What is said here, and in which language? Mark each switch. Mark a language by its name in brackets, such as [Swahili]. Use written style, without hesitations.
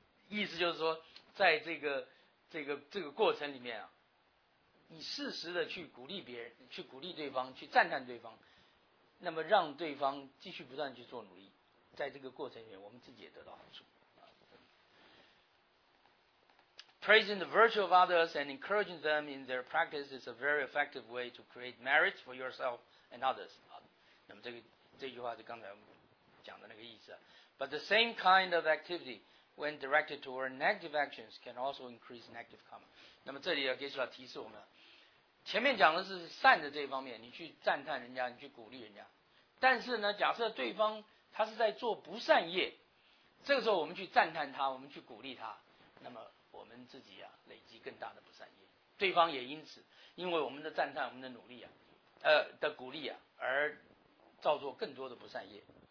[Chinese] 意思就是说，在这个过程里面啊，你适时的去鼓励别人，去鼓励对方，去赞叹对方，那么让对方继续不断去做努力，在这个过程里面，我们自己也得到好处。 [English] Praising the virtue of others and encouraging them in their practice is a very effective way to create merit for yourself and others. [Chinese] 啊，那么这句话是刚才我们讲的那个意思。 [English] But the same kind of activity, when directed toward negative actions, can also increase negative karma. [Chinese] 那么这里要给出来提示我们，前面讲的是善的这一方面，你去赞叹人家，你去鼓励人家。但是呢，假设对方他是在做不善业，这个时候我们去赞叹他，我们去鼓励他，那么我们自己啊，累积更大的不善业，对方也因此，因为我们的赞叹、我们的努力啊，的鼓励啊，而造作更多的不善业。